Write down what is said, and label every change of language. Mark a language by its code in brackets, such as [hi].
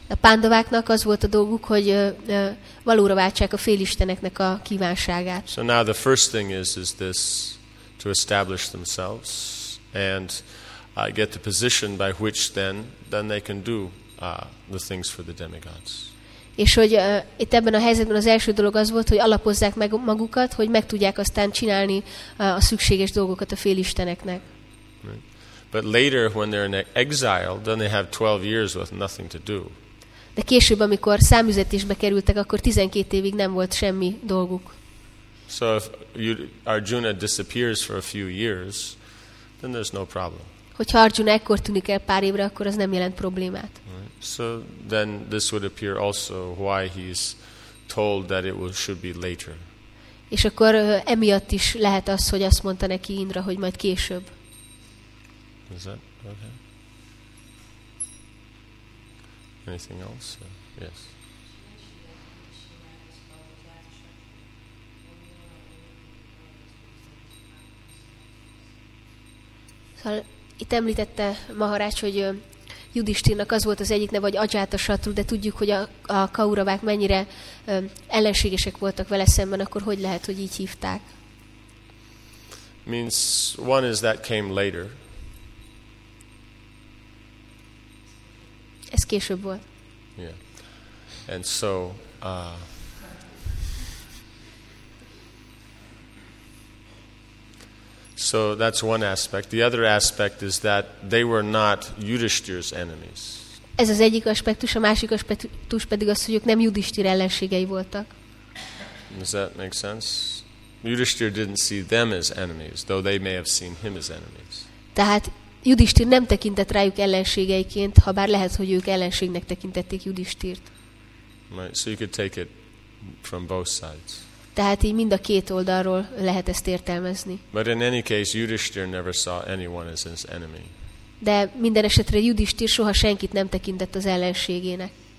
[hu] A pandaváknak az volt a dolguk, hogy valóra váltsák a félisteneknek a kívánságát. [en] So now the first thing is this, to establish themselves and get the position by which then they can do the things for the demigods. [hu] És hogy itt ebben a helyzetben az első dolog az volt, hogy alapozzák meg magukat, hogy meg tudják aztán csinálni a szükséges dolgokat a félisteneknek. [en] But later when they're in exile, then they have 12 years with nothing to do. [hu] De később, amikor számüzetésbe kerültek, akkor 12 évig nem volt semmi dolguk. [en] So if Arjuna disappears for a few years, then there's no problem. [hu] Hogyha Arjuna ekkor tűnik el pár évre, akkor az nem jelent problémát. [en] So then this would appear also why he's told that it should be later. [hu] És akkor emiatt is lehet az, hogy azt mondta neki Indra, hogy majd később. [en] Is that okay? Anything else? Yes. [hu] Szóval itt említette Maharács, hogy Yudhishthirnak az volt az egyik neve, vagy Ajátasatru, de tudjuk, hogy a kauravák mennyire ellenségesek voltak vele szemben, akkor hogy lehet, hogy így hívták? [en] Means one is that came later. [hu] Ez később volt. [en] Yeah. And so so that's one aspect. The other aspect is that they were not Yudhishthira's enemies. [hu] Ez az egyik aspektus, a másik aspektus pedig az, hogy ők nem Yudhishthira ellenségei voltak. [en] Does that make sense? Yudhishthira didn't see them as enemies, though they may have seen him as enemies. [hu] Tehát Yudhishthira nem tekintett rájuk ellenségeiként, ha bár lehet, hogy ők ellenségnek tekintették Yudhishthirt. [en] Right, so you could take it from both sides. [hu] Tehát így mind a két oldalról lehet ezt értelmezni. [en] But in any case, Yudhishthira never saw anyone as his enemy. [hu] De minden esetre Yudhishthira soha senkit nem tekintett az ellenségének.